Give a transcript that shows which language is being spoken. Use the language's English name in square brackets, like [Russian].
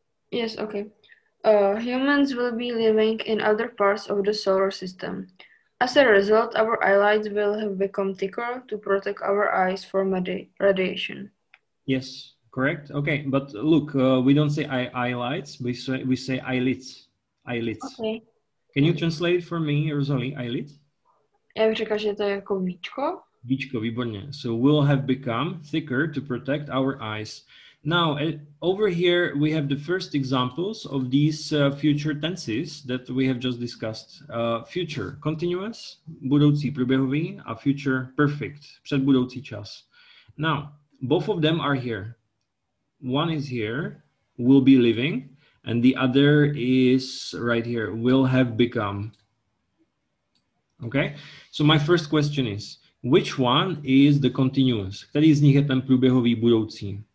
[English] Yes, okay. Humans will be living in other parts of the solar system. As a result, our eyelids will have become thicker to protect our eyes from radiation. Yes, correct. Okay, but look, we don't say eyelids, we say eyelids. Eyelids. Okay. Can you translate for me, Rosalie, eyelid? [Czech] Já bych řekla, že to je jako víčko. Víčko, výborně. [English] So will have become thicker to protect our eyes. Now, over here, we have the first examples of these future tenses that we have just discussed. [Czech] Future, continuous, budoucí průběhový a future, perfect, předbudoucí čas. [English] Now, both of them are here. One is here, will be living. And the other is right here, will have become. Okay, so my first question is, which one is the continuous? [Czech] Který z nich je ten průběhový budoucí?